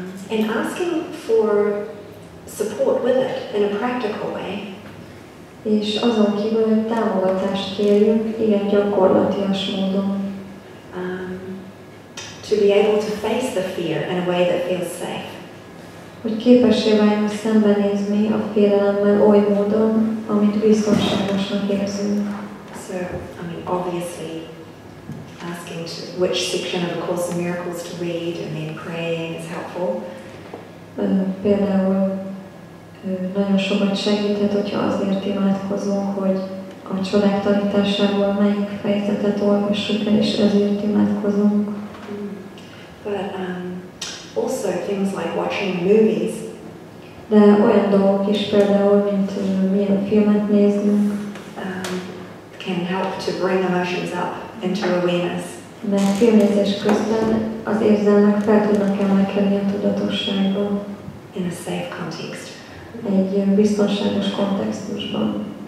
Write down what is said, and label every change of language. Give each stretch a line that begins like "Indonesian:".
English: and asking for support with it in a practical way,
Hungarian: és azon kívül, hogy támogatást kérjünk, igen gyakorlatias módon,
English: to to be able to face the fear in a way that feels safe.
Hungarian: Hogy képes-e vagyunk szembenézni a félelemmel oly módon, amit biztonságosnak érzünk.
English: So, I mean, obviously, asking to, which section of A Course in Miracles to read and then praying is helpful.
Hungarian: Például nagyon sokat segíthet, hogyha azért imádkozunk, hogy a csodák tanításából melyik fejezetet olvassuk el, és ezért imádkozunk.
English: But also things like watching movies.
Hungarian: De olyan dolgok is, például, mint milyen filmet nézünk,
English: can help to bring emotions up into awareness.
Hungarian: Mert filmnézés közben az érzelmek fel tudnak emelkedni a tudatosságba.
English: In a safe context.
Hungarian: Egy biztonságos kontextusban.